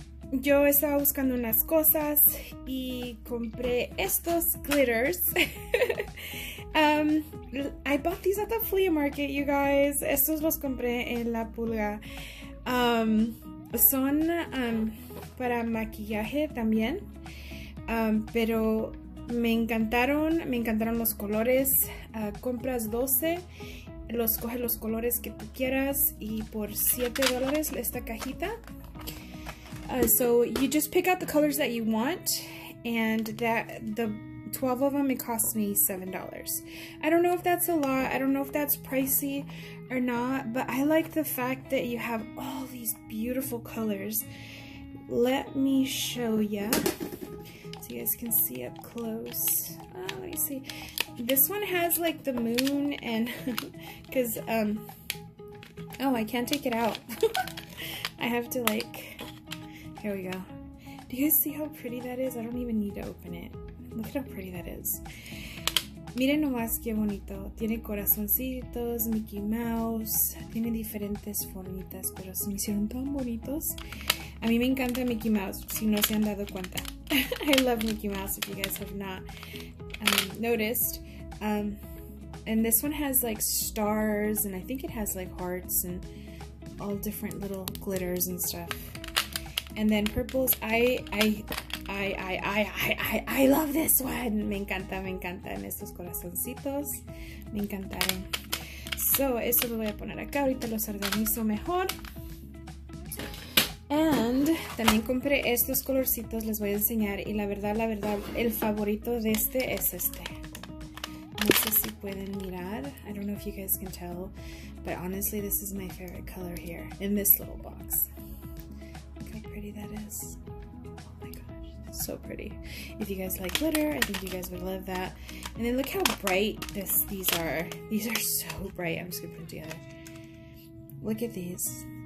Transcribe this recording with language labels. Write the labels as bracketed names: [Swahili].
[Spanish] Yo estaba buscando unas cosas y compré estos glitters. [English] I bought these at the flea market, you guys. [Spanish] Estos los compré en La Pulga. Son para maquillaje también. Pero me encantaron los colores. Compras 12, los coge los colores que tú quieras y por $7 esta cajita. [English] So you just pick out the colors that you want, and that the 12 of them, it cost me $7. I don't know if that's a lot, I don't know if that's pricey or not, but I like the fact that you have all these beautiful colors. Let me show you so you guys can see up close. Let me see. This one has like the moon and because I can't take it out. I have to like, here we go. Do you guys see how pretty that is? I don't even need to open it. Look at how pretty that is. [Spanish] Miren nomás que bonito. Tiene corazoncitos, Mickey Mouse. Tiene diferentes formitas, pero se me hicieron tan bonitos. A mí me encanta Mickey Mouse, si no se han dado cuenta. [English] I love Mickey Mouse, if you guys have not noticed. And this one has like stars, and I think it has like hearts and all different little glitters and stuff. And then purples, I love this one. [Spanish] Me encanta. En estos corazoncitos. Me encantaron. So, eso lo voy a poner acá. Ahorita los organizo mejor. And también compré estos colorcitos. Les voy a enseñar. Y la verdad, el favorito de este es este. No sé si pueden mirar. [English] I don't know if you guys can tell. But honestly, this is my favorite color here. In this little box. Look how pretty that is. So pretty. If you guys like glitter, I think you guys would love that. And then look how bright these are. These are so bright. I'm just gonna put them together. Look at these.